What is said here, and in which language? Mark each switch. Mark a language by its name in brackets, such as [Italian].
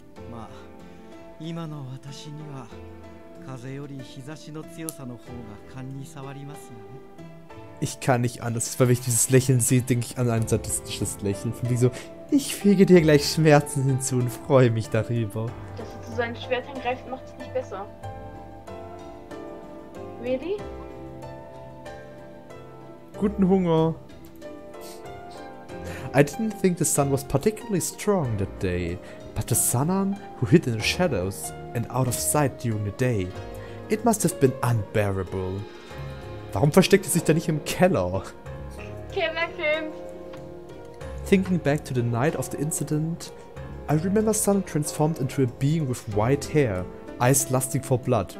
[Japanese] Ma, 今の私には風より日差しの強さの方が肝に障りますよね。 [German] Ich kann nicht anders, weil wenn ich dieses Lächeln sehe, denke ich an ein sadistisches Lächeln. Von wegen so, ich füge dir gleich Schmerzen hinzu und freue mich darüber. Dass er zu seinem Schwert hingreift, macht es nicht besser. [English] Really? [German] Guten Hunger. [English] I didn't think the sun was particularly strong that day, but the Sanon, who hid in the shadows and out of sight during the day, it must have been unbearable. [German] Warum versteckt er sich da nicht im Keller? Kellerkind! [English] Thinking back to the night of the incident, I remember Sanon transformed into a being with white hair, eyes lusting for blood.